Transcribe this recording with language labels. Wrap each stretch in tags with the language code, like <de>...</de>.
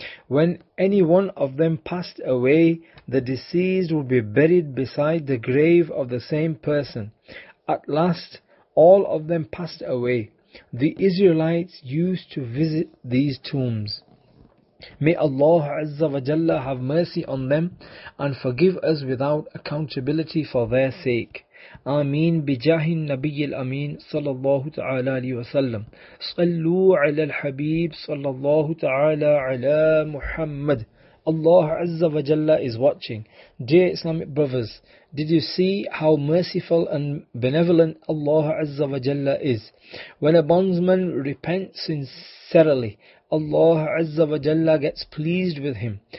<en>When any one of them passed away, the deceased would be buried beside the grave of the same person. At last, all of them passed away. The Israelites used to visit these tombs. May Allah Azza wa Jalla have mercy on them and forgive us without accountability for their sake.</en> <ar>آمين بجاه النبي الأمين صلى الله تعالى عليه وسلم. صلوا على الحبيب صلى الله تعالى على محمد.</ar> <en>Allah Azza wa Jalla is watching. Dear Islamic brothers, did you see how merciful and benevolent Allah Azza wa Jalla is? When a bondsman repents sincerely, Allah Azza wa Jalla gets pleased with him.</en>